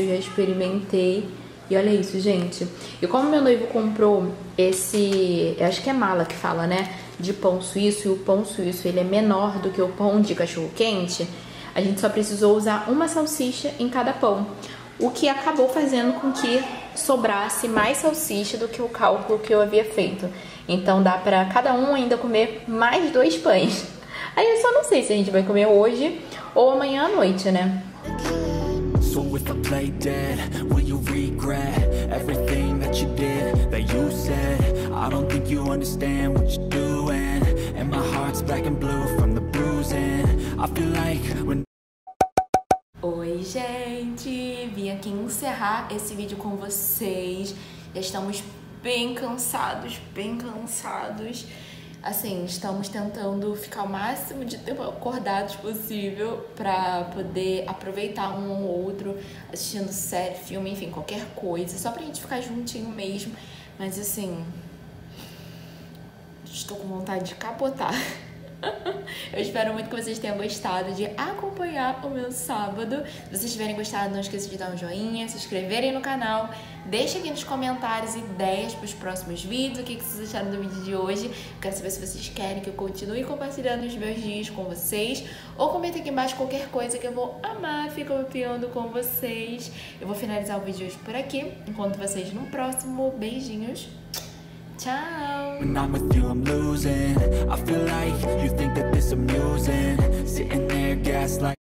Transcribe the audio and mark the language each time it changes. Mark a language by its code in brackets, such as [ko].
[pt] Eu já experimentei. E olha isso, gente. E como meu noivo comprou esse, eu acho que é mala que fala, né, de pão suíço, e o pão suíço ele é menor do que o pão de cachorro quente, a gente só precisou usar uma salsicha em cada pão, o que acabou fazendo com que sobrasse mais salsicha do que o cálculo que eu havia feito. Então dá pra cada um ainda comer mais dois pães. Aí eu só não sei se a gente vai comer hoje ou amanhã à noite, né? [en] play dead? Will you regret everything that you did, that you said? I don't think you understand what you're doing. And my heart's black and blue from the bruising. I feel like when... [pt] Oi, gente! Vim aqui encerrar esse vídeo com vocês. Já estamos bem cansados, bem cansados. Assim, estamos tentando ficar o máximo de tempo acordados possível pra poder aproveitar um ou outro assistindo série, filme, enfim, qualquer coisa. Só pra gente ficar juntinho mesmo. Mas, assim... estou com vontade de capotar. Eu espero muito que vocês tenham gostado de acompanhar o meu sábado. Se vocês tiverem gostado, não esqueça de dar um joinha, se inscreverem no canal. Deixem aqui nos comentários ideias para os próximos vídeos, o que vocês acharam do vídeo de hoje. Quero saber se vocês querem que eu continue compartilhando os meus dias com vocês. Ou comentem aqui embaixo qualquer coisa que eu vou amar ficar opinando com vocês. Eu vou finalizar o vídeo de hoje por aqui. Encontro vocês no próximo. Beijinhos. Ciao. [en] When I'm with you, I'm losing. I feel like you think that this amusing. Sitting there, gaslighting.